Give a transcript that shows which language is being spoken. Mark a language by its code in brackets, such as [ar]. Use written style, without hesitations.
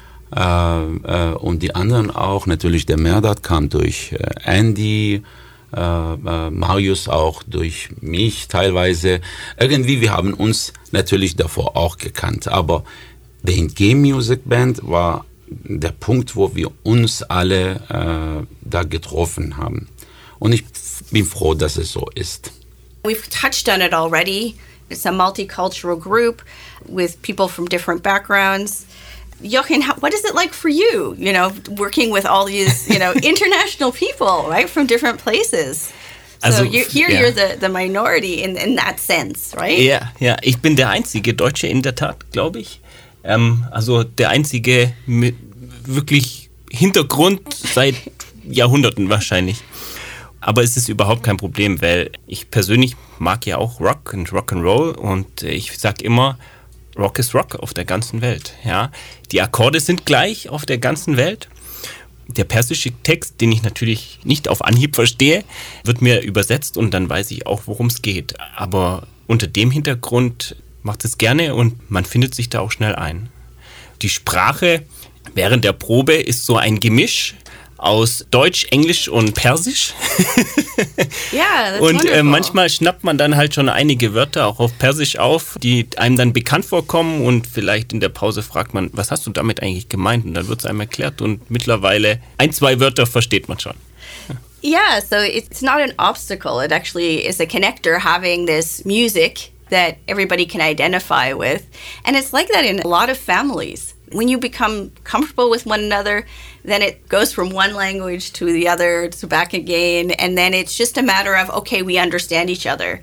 [de] Und die anderen auch, natürlich der Merdad kam durch Andy, Marius auch durch mich teilweise. Irgendwie, wir haben uns natürlich davor auch gekannt. Aber die Endgame Music Band war der Punkt, wo wir uns alle da getroffen haben. Und ich bin froh, dass es so ist. [en] We've touched on it already. It's a multicultural group with people from different backgrounds. Jochen, what is it like for you, you know, working with all these, you know, international people, right, from different places? Also, so you're, here yeah. you're the minority in that sense, right? Ja, yeah, yeah. [de] Ich bin der einzige Deutsche in der Tat, glaube ich. Also der einzige mit wirklich Hintergrund seit Jahrhunderten wahrscheinlich. Aber es ist überhaupt kein Problem, weil ich persönlich mag ja auch Rock und Rock'n'Roll und ich sag immer, Rock ist Rock auf der ganzen Welt. Ja. Die Akkorde sind gleich auf der ganzen Welt. Der persische Text, den ich natürlich nicht auf Anhieb verstehe, wird mir übersetzt und dann weiß ich auch, worum es geht. Aber unter dem Hintergrund macht es gerne und man findet sich da auch schnell ein. Die Sprache während der Probe ist so ein Gemisch aus Deutsch, Englisch und Persisch. Ja, yeah, und manchmal schnappt man dann halt schon einige Wörter auch auf Persisch auf, die einem dann bekannt vorkommen und vielleicht in der Pause fragt man, was hast du damit eigentlich gemeint? Und dann wird es einem erklärt und mittlerweile ein, zwei Wörter versteht man schon. [en] Yeah, so it's not an obstacle. It actually is a connector having this music that everybody can identify with. And it's like that in a lot of families. When you become comfortable with one another, then it goes from one language to the other, to back again, and then it's just a matter of, okay, we understand each other.